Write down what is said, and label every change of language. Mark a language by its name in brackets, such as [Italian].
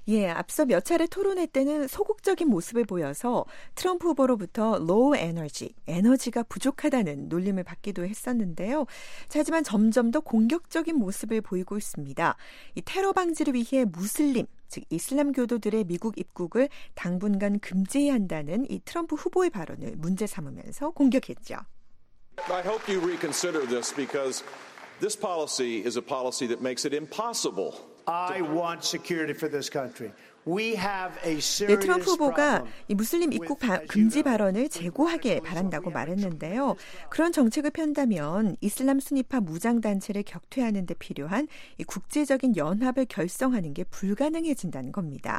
[Korean] 예, 앞서 몇 차례 토론회 때는 소극적인 모습을 보여서 트럼프 후보로부터 [English] low energy, [Korean] 에너지가 부족하다는 놀림을 받기도 했었는데요. 자, 하지만 점점 더 공격적인 모습을 보이고 있습니다. 이 테러 방지를 위해 무슬림, 즉 이슬람교도들의 미국 입국을 당분간 금지해야 한다는 이 트럼프 후보의 발언을 문제 삼으면서 공격했죠. [English] I hope you reconsider this because this policy is a policy that makes it impossible. I want security for this country. We have a serious problem. [Korean] 네, 트럼프 후보가 이 무슬림 입국 금지 발언을 재고하길 바란다고 말했는데요. 그런 정책을 편다면 이슬람 순위파 무장단체를 격퇴하는 데 필요한 이 국제적인 연합을 결성하는 게 불가능해진다는 겁니다.